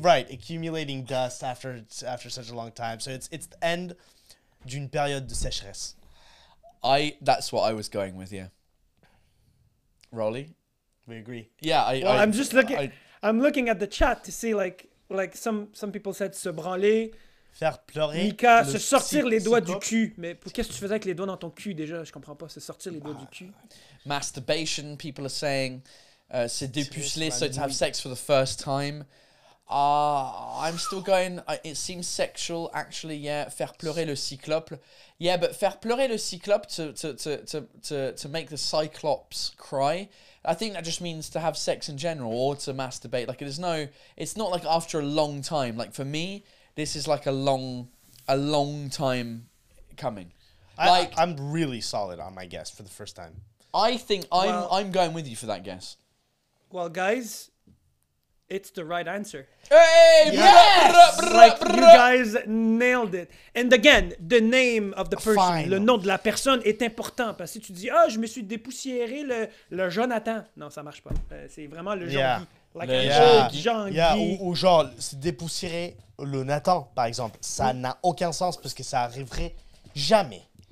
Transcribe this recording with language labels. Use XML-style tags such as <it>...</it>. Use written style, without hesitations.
<en>Right, accumulating dust after such a long time. So it's the end</en> <fr>d'une période de sécheresse.</fr> <en>That's what I was going with, yeah. Rolly? We agree. Yeah, I'm looking at the chat to see, like some people said,</en> <fr>se branler. Faire pleurer. Mika, se sortir les doigts du cul. Mais qu'est-ce que tu faisais avec les doigts dans ton cul, déjà? Je comprends pas, se sortir les doigts du cul.</fr> <en>Masturbation, people are saying...</en> <fr>c'est dépuceler,</fr> <en>so to have sex for the first time. I'm still going, it seems sexual, actually, yeah.</en> <fr>Faire pleurer le cyclope.</fr> <en>Yeah, but</en> <fr>faire pleurer le cyclope,</fr> <en>to make the cyclops cry, I think that just means to have sex in general or to masturbate. Like, it's not like after a long time. Like, for me, this is like a long time coming. I'm really solid on my guess for the first time. I think I'm going with you for that guess. Well, guys, it's the right answer. Hey, yes! Like, you guys nailed it. And again, the name of the person, fine.</en> <fr>Le nom de la personne est important. Parce que tu dis, je me suis dépoussiéré le Jonathan. Non, ça marche pas. C'est vraiment le Jean-Guy.</fr> <en>Like</en> <fr>le Jean-Guy. Ou genre, se dépoussiérer le Nathan, par exemple. Ça n'a aucun sens parce que ça arriverait jamais.</fr>